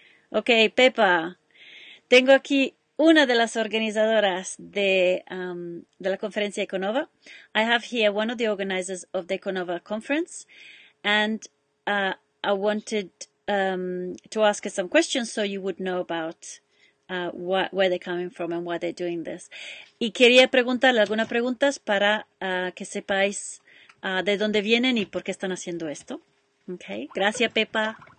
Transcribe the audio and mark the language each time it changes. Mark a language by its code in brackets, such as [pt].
[es] Okay, Pepa, tengo aquí una de las organizadoras de la conferencia EcoNova. [en] I have here one of the organizers of the EcoNova conference, and I wanted to ask her some questions so you would know about where they're coming from and why they're doing this. [es] Y quería preguntarle algunas preguntas para que sepáis de dónde vienen y por qué están haciendo esto. Okay, gracias, Pepa.